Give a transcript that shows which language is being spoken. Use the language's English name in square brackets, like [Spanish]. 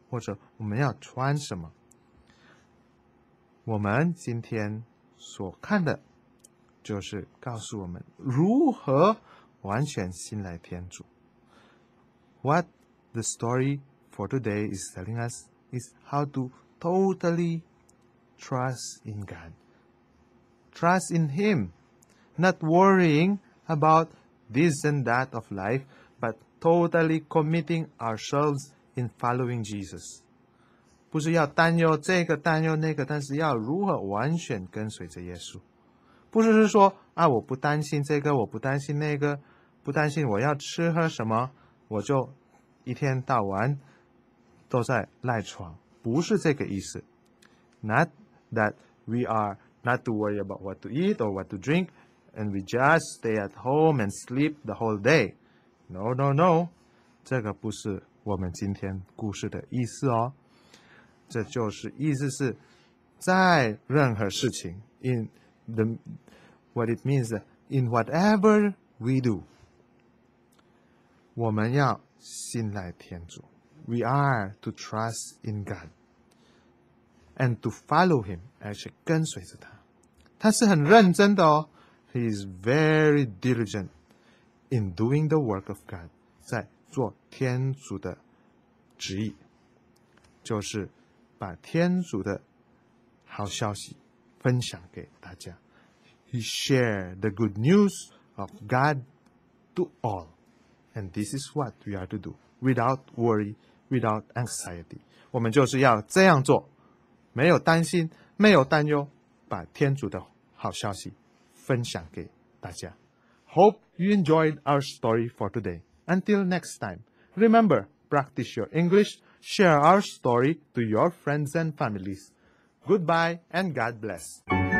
[Chinese] 或者我们要穿什么？我们今天所看的，就是告诉我们如何完全信赖天主。 [English] What the story for today is telling us is how to totally trust in God. Trust in Him, not worrying about this and that of life, but totally committing ourselves in following Jesus. [Chinese] 不是要担忧这个担忧那个但是要如何完全跟随着耶稣。不是说啊我不担心这个我不担心那个不担心我要吃喝什么我就一天到晚都在赖床。不是这个意思。 [English] Not that we are not to worry about what to eat or what to drink,And we just stay at home and sleep the whole day. No, no, no. [Chinese] 这个不是我们今天故事的意思哦。这就是意思是在任何事情 [English] in the, what it means in whatever we do. [Chinese] 我们要信赖天主。 [English] We are to trust in God. And to follow Him, [Chinese] 而且跟随着他。他是很认真的哦。 [English] He is very diligent in doing the work of God, [Chinese] 在做天主的旨意，就是把天主的好消息分享给大家。 [English] He shared the good news of God to all, and this is what we are to do, without worry, without anxiety. [Chinese] 我们就是要这样做，没有担心，没有担忧，把天主的好消息分享给大家。 [English] Hope you enjoyed our story for today. Until next time, remember, practice your English, share our story to your friends and families. Goodbye and God bless.